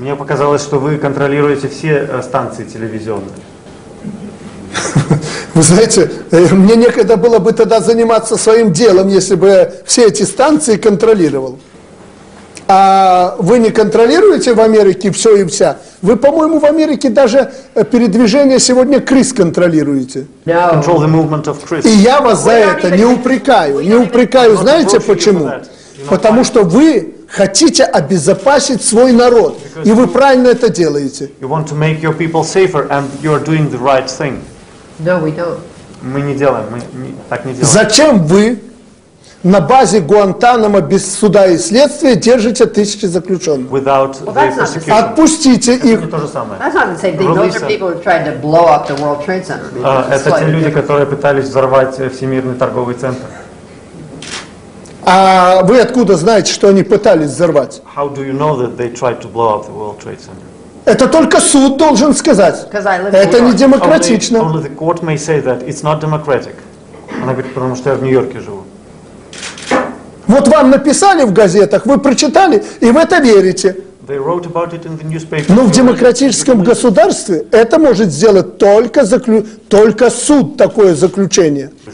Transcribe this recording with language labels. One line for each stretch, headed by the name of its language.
Russian: Мне показалось, что вы контролируете все станции телевизионные. Вы знаете, мне некогда было бы тогда заниматься своим делом, если бы я все эти станции контролировал. А вы не контролируете в Америке все и вся? Вы, по-моему, в Америке даже передвижение сегодня крыс контролируете.
English: Control the movement of crisis.
Russian: И я вас за это не упрекаю. Не упрекаю, знаете почему? Потому что вы хотите обезопасить свой народ. И вы правильно это делаете.
English: You want to make your people safer and you're doing the right thing. No, we don't.
Russian: Мы не делаем, мы так не делаем. Зачем вы на базе Гуантанамо без суда и следствия держите тысячи заключенных?
English: Without the prosecution.
Russian: Отпустите их. Это не то же самое.
English: That's not the same thing. Those are people who tried to blow up the World Trade Center.
Russian: Это те люди, которые пытались взорвать Всемирный торговый центр. А вы откуда знаете, что они пытались взорвать?
English: How do you know that they tried to blow up the World Trade Center?
Russian: Это только суд должен сказать. Это не демократично.
English: Only the court may say that it's not democratic.
Russian: Она говорит, потому что я в Нью-Йорке живу. Вот вам написали в газетах, вы прочитали, и в это верите. Но в демократическом государстве это может сделать только суд, такое заключение.